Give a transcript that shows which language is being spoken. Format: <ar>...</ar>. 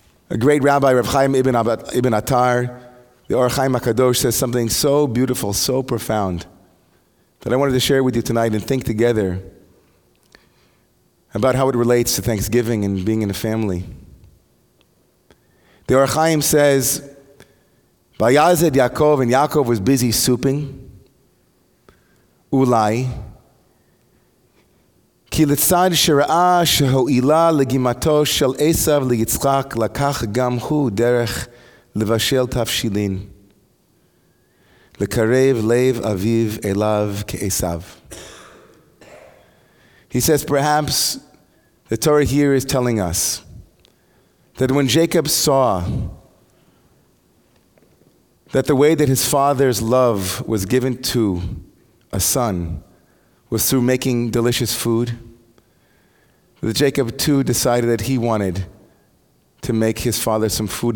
<en>A great rabbi, Rav Chaim ibn Attar, the Or Chaim HaKadosh, says something so beautiful, so profound, that I wanted to share with you tonight and think together about how it relates to Thanksgiving and being in a family. The Or Chaim says,</en> <he>Vayazed Yaakov,</he> <en>and Yaakov was busy souping,</en> <he>Ulai, כי לצד שראה שהועילה לגימתו של עשיו ליצחק, לקח גם הוא דרך לבשל תפשילין, לקרב לב אביו אליו כעשיו.</he> <en>He says, perhaps the Torah here is telling us that when Jacob saw that the way that his father's love was given to a son was through making delicious food, that Jacob too decided that he wanted to make his father some food.</en>